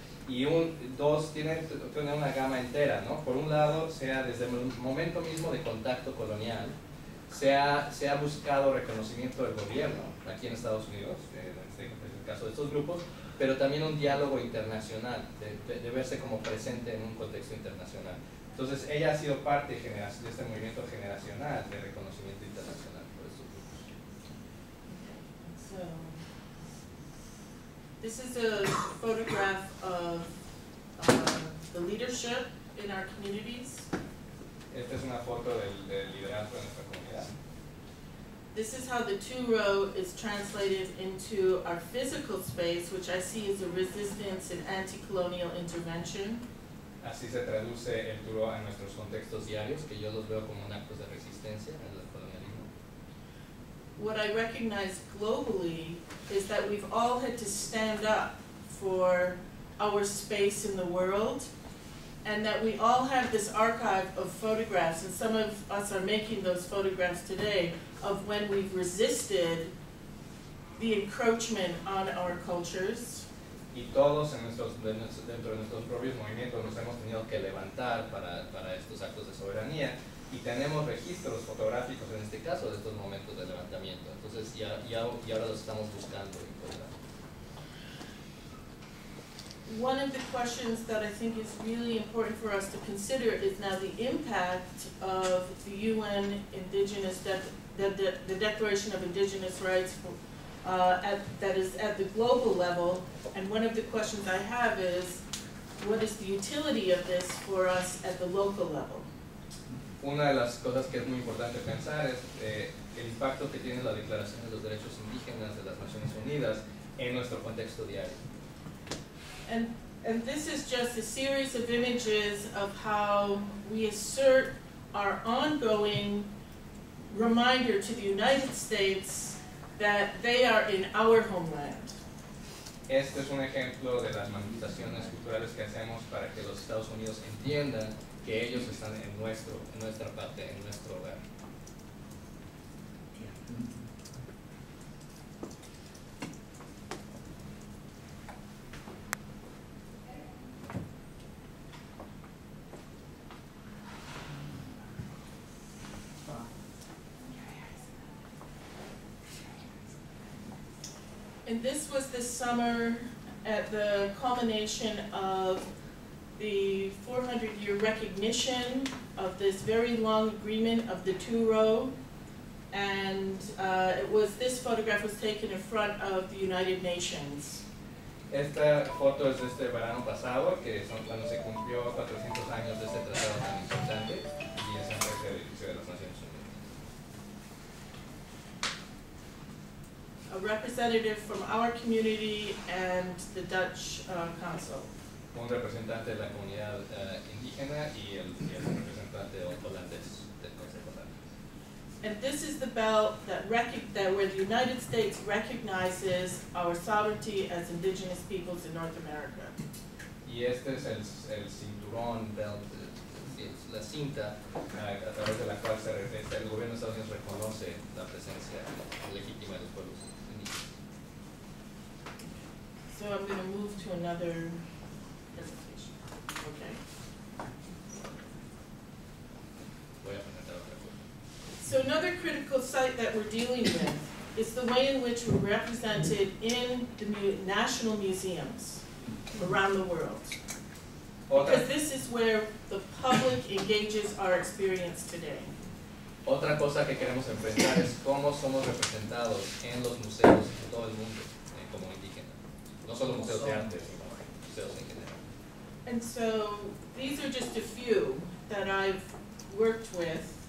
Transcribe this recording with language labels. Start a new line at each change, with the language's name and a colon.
Spanish: Y tienen una gama entera, ¿no? Por un lado, sea desde el momento mismo de contacto colonial, se ha buscado reconocimiento del gobierno aquí en Estados Unidos, en el caso de estos grupos, pero también un diálogo internacional, de verse como presente en un contexto internacional. Entonces, ella ha sido parte de este movimiento generacional de reconocimiento internacional por estos grupos.
English: Okay. So, this is a photograph of the leadership in our communities.
Spanish: Esta es una foto del liderazgo en nuestra comunidad.
English: This is how the two-row is translated into our physical space, which I see as a resistance and anti-colonial intervention.
Spanish: Así se traduce el duro en nuestros contextos diarios, que yo los veo como un acto de resistencia en el colonialismo.
English: What I recognize globally is that we've all had to stand up for our space in the world, and that we all have this archive of photographs, and some of us are making those photographs today, of when we've resisted the encroachment on our cultures.
Spanish: Y todos dentro de nuestros propios movimientos nos hemos tenido que levantar para estos actos de soberanía, y tenemos registros fotográficos en este caso de estos momentos de levantamiento. Entonces ya ahora los estamos buscando.
English: One of the questions that I think is really important for us to consider is now the impact of the UN Indigenous the Declaration of Indigenous Rights that is at the global level. And one of the questions I have is, what is the utility of this for us at the local level?
Spanish: Una de las cosas que es muy importante pensar es el impacto que tiene la Declaración de los Derechos Indígenas de las Naciones Unidas en nuestro contexto diario.
English: And this is just a series of images of how we assert our ongoing reminder to the United States that they are in our homeland.
Spanish: Este es un ejemplo de las manifestaciones culturales que hacemos para que los Estados Unidos entiendan que ellos están en nuestra parte, en nuestro hogar.
English: And this was this summer at the culmination of the 400-year recognition of this very long agreement of the two-row. And this photograph was taken in front of the United Nations.
Spanish: Esta foto es de este verano pasado, que es cuando se cumplió 400 años de este tratado tan importante, y es en el edificio de las Naciones Unidas.
English: A representative from our community and the Dutch council.
Spanish: Un representante de la comunidad indígena y el representante holandés del Consejo holandés.
English: And this is the belt where the United States recognizes our sovereignty as indigenous peoples in North America.
Spanish: Y este es el cinturón belt, es la cinta a través de la cual el gobierno de Estados Unidos reconoce la presencia legítima de los pueblos.
English: So I'm going to move to another presentation. Okay. So another critical site that we're dealing with is the way in which we're represented in the national museums around the world. Because this is where the public engages our experience today.
Spanish: Otra cosa que queremos enfrentar es cómo somos representados en los museos en todo el mundo como indígena. No solo museos de arte, sino museos en general.
English: And so these are just a few that I've worked with.